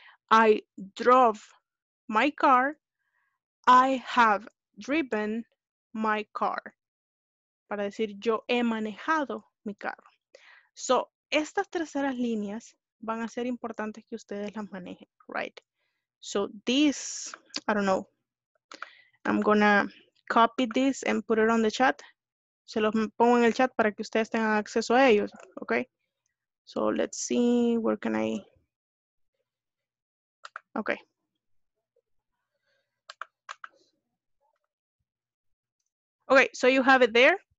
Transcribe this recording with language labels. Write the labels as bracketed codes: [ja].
[en] I drove my car. I have driven my car. [es] Para decir, yo he manejado mi carro. So, estas terceras líneas van a ser importantes que ustedes las manejen, right? [en] So this, I don't know. I'm gonna copy this and put it on the chat. [es] Se los pongo en el chat para que ustedes tengan acceso a ellos, okay? [en] So let's see, where can I? Okay. Okay, so you have it there.